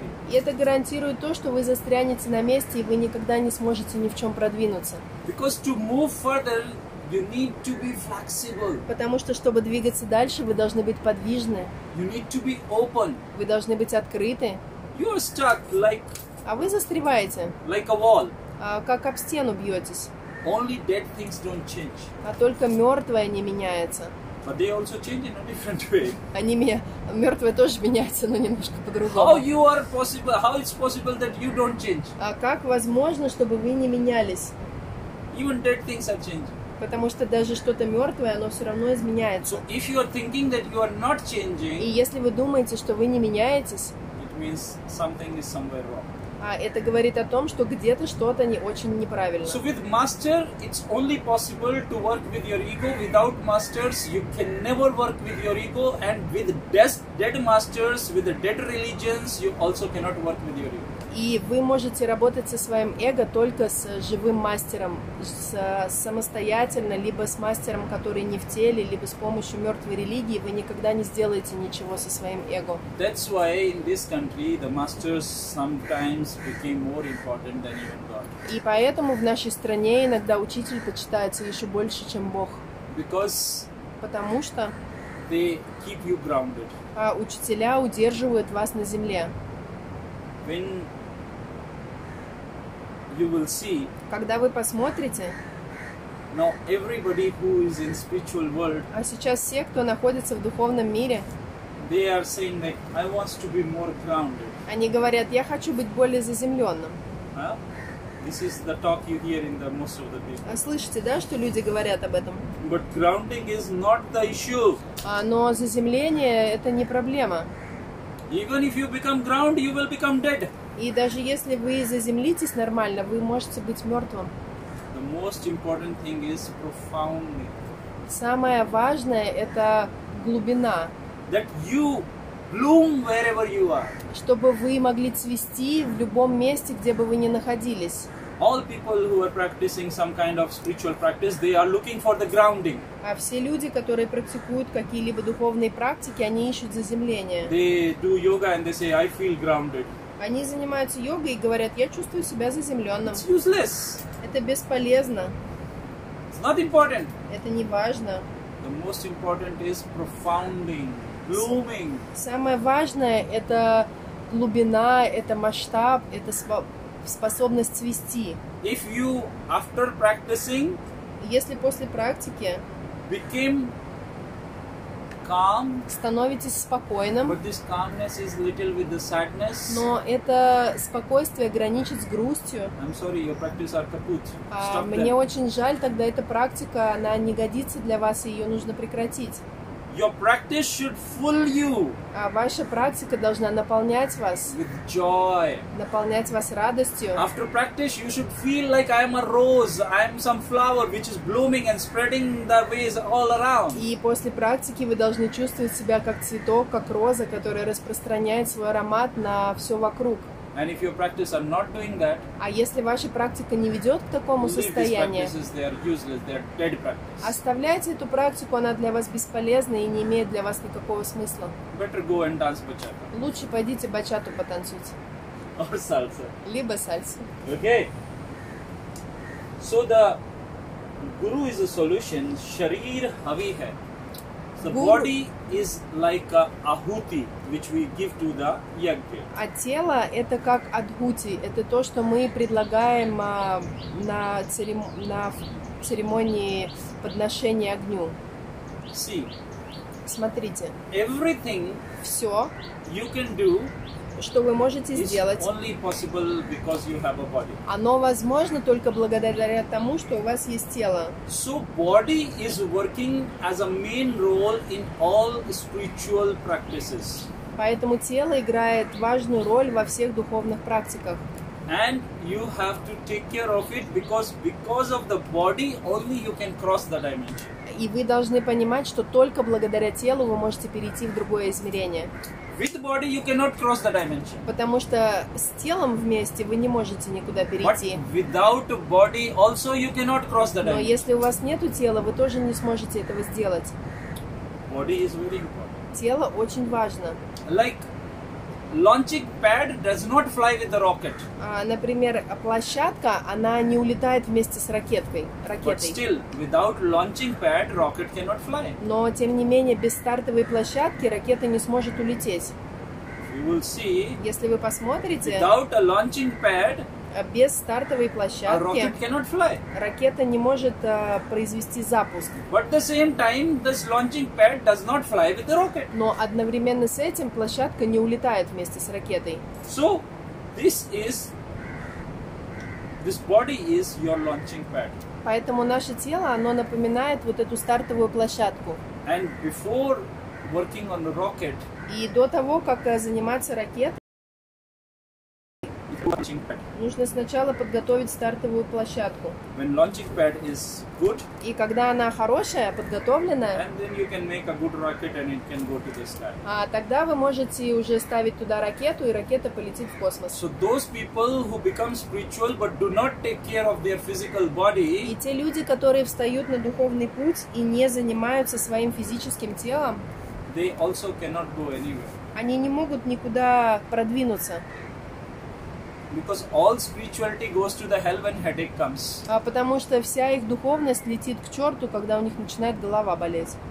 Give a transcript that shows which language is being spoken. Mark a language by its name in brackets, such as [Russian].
[Russian] Это гарантирует то, что вы застрянете на месте и вы никогда не сможете ни в чем продвинуться. [English] Because to move further, you need to be flexible. [Russian] Потому что чтобы двигаться дальше, вы должны быть подвижны. [English] You need to be open. [Russian] Вы должны быть открыты. [English] You are stuck like. [Russian] А вы застреваете. [English] Like a wall. [Russian] Как об стену бьетесь. [English] Only dead things don't change. [Russian] А только мертвое не меняется. [English] But they also change in a different way. [Russian] Они меня, мертвые тоже меняются, но немножко по-другому. [English] How you are possible? How it's possible that you don't change? [Russian] А как возможно, чтобы вы не менялись? [English] Even dead things are changing. [Russian] Потому что даже что-то мертвое, оно все равно изменяется. [English] So if you are thinking that you are not changing, [Russian] и если вы думаете, что вы не меняетесь, [English] it means something is somewhere wrong. [Russian] А это говорит о том, что где-то что-то не очень неправильно. [English] So with master, it's only possible to work with your ego. Without masters, you can never work with your ego. And with dead masters, with dead religions, you also cannot work with your ego. [Russian] И вы можете работать со своим эго только с живым мастером, самостоятельно, либо с мастером, который не в теле, либо с помощью мертвой религии, вы никогда не сделаете ничего со своим эго. [English] That's why in this country the masters sometimes became more important than even God. [Russian] И поэтому в нашей стране иногда учитель почитается еще больше, чем Бог. [English] Because [Russian] потому что [English] they keep you grounded. [Russian] А учителя удерживают вас на земле. [English] When you will see. [Russian] Когда вы посмотрите. [English] Now everybody who is in spiritual world. [Russian] А сейчас все, кто находится в духовном мире. [English] They are saying that I want to be more grounded. [Russian] Они говорят, я хочу быть более заземленным. [English] Well, this is the talk you hear in the most of the people. [Russian] А слышите, да, что люди говорят об этом? [English] But grounding is not the issue. [Russian] А, но заземление это не проблема. [English] Even if you become ground, you will become dead. [Russian] И даже если вы заземлитесь нормально, вы можете быть мертвым. [English] The most important thing is profoundly. [Russian] Самое важное — это глубина. [English] That you bloom wherever you are. [Russian] Чтобы вы могли цвести в любом месте, где бы вы ни находились. [English] All people who are practicing some kind of spiritual practice, they are looking for the grounding. [Russian] А все люди, которые практикуют какие-либо духовные практики, они ищут заземление. [English] They do yoga and they say, I feel grounded. [Russian] Они занимаются йогой и говорят, я чувствую себя заземленным. [English] It's useless. [Russian] Это бесполезно. [English] It's not important. [Russian] Это не важно. [English] The most important is profounding, blooming. [Russian] Самое важное — это глубина, это масштаб, это способность цвести. [English] If you, after practicing, [Russian] если после практики [English] became calm, [Russian] становитесь спокойным, [English] but this calmness is little with the sadness. [Russian] Но это спокойствие граничит с грустью. [English] I'm sorry, your practice are kaput. [Russian] Мне очень жаль, тогда эта практика, она не годится для вас, и ее нужно прекратить. [English] Your practice should fill you. [Russian] А ваша практика должна наполнять вас. [English] With joy. [Russian] Наполнять вас радостью. [English] After practice, you should feel like I am a rose, I am some flower which is blooming and spreading the ways all around. [Russian] И после практики вы должны чувствовать себя как цветок, как роза, которая распространяет свой аромат на все вокруг. [English] And if your practice are not doing that, [Russian] а если ваша практика не ведет к такому состоянию, [English] leave these practices, they are useless, they are dead practice. [Russian] Оставляйте эту практику, она для вас бесполезна и не имеет для вас никакого смысла. [English] Better go and dance bachata. [Russian] Лучше пойдите бачату потанцуйте. [English] Or salsa. [Russian] Либо сальса. [English] Okay. So the guru is a solution. [Hindi] Sharir havi hai. [English] The body is like a ahuti, which we give to the yagya. [Russian] А тело это как адхути, это то, что мы предлагаем на церемонии подношения огню. [English] See. [Russian] Смотрите. [English] Everything. [Russian] Все. [English] You can do. [Russian] Что вы можете сделать? [English] Only possible because you have a body. [Russian] Оно возможно только благодаря тому, что у вас есть тело. [English] So body is working as a main role in all spiritual practices. [Russian] Поэтому тело играет важную роль во всех духовных практиках. [English] And you have to take care of it because of the body only you can cross the dimension. [Russian] И вы должны понимать, что только благодаря телу вы можете перейти в другое измерение. [English] With body you cannot cross the dimension. [Russian] Потому что с телом вместе вы не можете никуда перейти. [English] But without body also you cannot cross the dimension. [Russian] Но если у вас нету тела, вы тоже не сможете этого сделать. [English] Body is very important. [Russian] Тело очень важно. [English] Like launching pad does not fly with the rocket. [Russian] Например, площадка, она не улетает вместе с ракеткой. [English] But still, without launching pad, rocket cannot fly. [Russian] Но тем не менее, без стартовой площадки ракета не сможет улететь. [English] You will see. [Russian] Если вы посмотрите. [English] Without a launching pad. [Russian] Без стартовой площадки. [English] A rocket cannot fly. [Russian] Ракета не может произвести запуск. [English] But at the same time, this launching pad does not fly with the rocket. [Russian] Но одновременно с этим площадка не улетает вместе с ракетой. [English] So, this body is your launching pad. [Russian] Поэтому наше тело, оно напоминает вот эту стартовую площадку. [English] And before working on the rocket. [Russian] И до того, как заниматься ракетой. Нужно сначала подготовить стартовую площадку. [English] When launching pad is good, [Russian] и когда она хорошая, подготовленная, [English] and then you can make a good rocket and it can go to the sky. [Russian] А тогда вы можете уже ставить туда ракету, и ракета полетит в космос. [English] So those people who become spiritual but do not take care of their physical body. [Russian] И те люди, которые встают на духовный путь и не занимаются своим физическим телом, [English] they also cannot go anywhere. [Russian] Они не могут никуда продвинуться. [English] Because all spirituality goes to the hell when headache comes. [Russian] А потому что вся их духовность летит к черту, когда у них начинает голова болеть.